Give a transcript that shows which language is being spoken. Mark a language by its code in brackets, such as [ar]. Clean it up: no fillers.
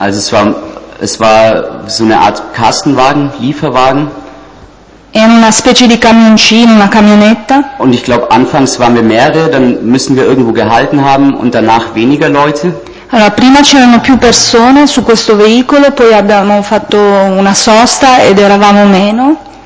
[de] Also es war so eine Art Kastenwagen, Lieferwagen. [it] È una specie di camioncino, una camionetta. [de] Und ich glaube, anfangs waren wir mehrere, dann müssen wir irgendwo gehalten haben und danach weniger Leute. [it] Allora, prima c'erano più persone su questo veicolo, poi abbiamo fatto una sosta ed eravamo meno.